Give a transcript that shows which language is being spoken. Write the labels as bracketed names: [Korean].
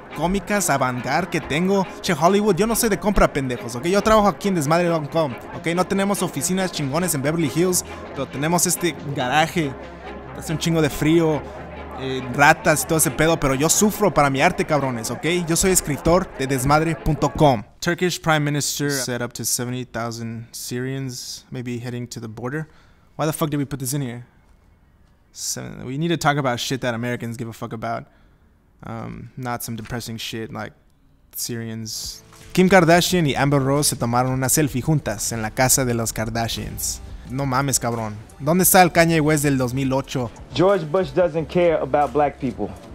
[Spanish] cómicas, avant-garde que tengo. Che, Hollywood, yo no soy de compra, pendejos, ¿ok? Yo trabajo aquí en Desmadre.com, ¿ok? No tenemos oficinas chingones en Beverly Hills, pero tenemos este garaje. Hace un chingo de frío, ratas y todo ese pedo, pero yo sufro para mi arte, cabrones, ¿ok? Yo soy escritor de Desmadre.com. [English] Turkish Prime Minister said up to 70,000 Syrians maybe heading to the border. Why the fuck did we put this in here? We need to talk about shit that Americans give a fuck about. Not some depressing shit like Syrians. [Spanish] Kim Kardashian y Amber Rose se tomaron una selfie juntas en la casa de los Kardashians. No mames, cabrón. ¿Dónde está el Kanye West del 2008? [English] George Bush doesn't care about black people.